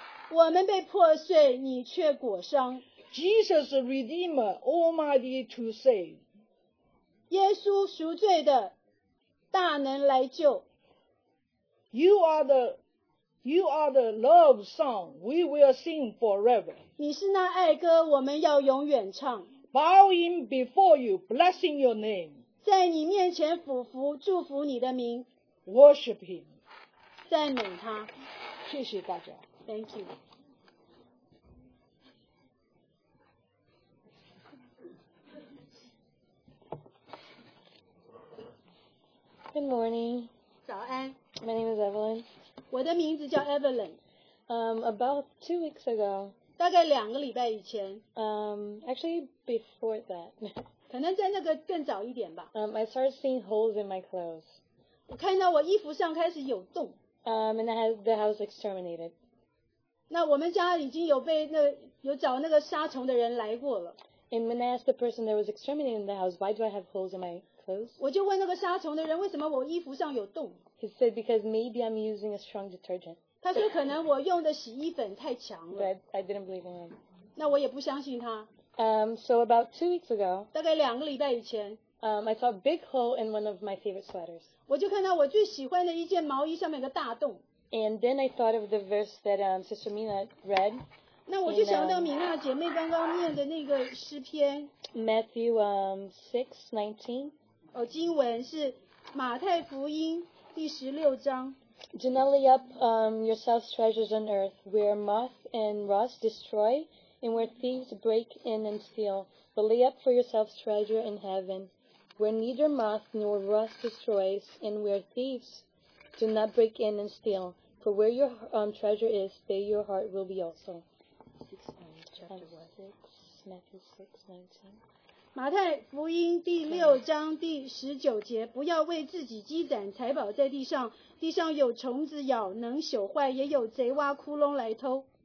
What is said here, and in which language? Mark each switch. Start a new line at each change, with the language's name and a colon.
Chinese: 我们被破碎你却裹伤
English: Jesus the Redeemer, Almighty to save.
Chinese: 耶稣赎罪的大能来救。
English: You are the love song we will sing forever.
Chinese: 你是那爱歌我们要永远唱。
English: Bowing before you, blessing your name.
Chinese: 在你面前俯伏祝福你的名。
English: Worship him.
Chinese: 赞美他。谢谢大家。
English: Thank you. Good morning.
Chinese: 早安。
English: My name is Evelyn.
Chinese: 我的名字叫 Evelyn.
English: About 2 weeks ago.
Chinese: 大概两个礼拜以前。
English: Actually, before that.
Chinese: 可能在那个更早一点吧。
English: I started seeing holes in my clothes.
Chinese: 我看到我衣服上开始有洞。
English: And the house exterminated.
Chinese: 那我们家已经有被那有找那个杀虫的人来过了。
English: And when I asked the person that was exterminating the house, why do I have holes in my clothes?
Chinese: 我就问那个杀虫的人，为什么我衣服上有洞？
English: He said, because maybe I'm using a strong detergent.
Chinese: 他说可能我用的洗衣粉太强了。
English: But I didn't believe in him.
Chinese: 那我也不相信他。
English: So about 2 weeks ago,
Chinese: 大概两个礼拜以前，
English: I saw a big hole in one of my favorite sweaters.
Chinese: 我就看到我最喜欢的一件毛衣上面有个大洞。
English: And then I thought of the verse that Sister Mina read.
Chinese: 那我就想到米娜姐妹刚刚念的那个诗篇
English: Matthew 6:19
Chinese: 哦，经文是马太福音第十六章
English: Do not lay up yourselves treasures on earth where moth and rust destroy and where thieves break in and steal but lay up for yourselves treasure in heaven where neither moth nor rust destroys and where thieves do not break in and steal for where your treasure is there your heart will be also 6, 9, chapter 1. 6, Matthew 6:19.
Chinese: 马太福音第六章第十九节，不要为自己积攒财宝在地上，地上有虫子咬，能朽坏，也有贼挖窟窿来偷。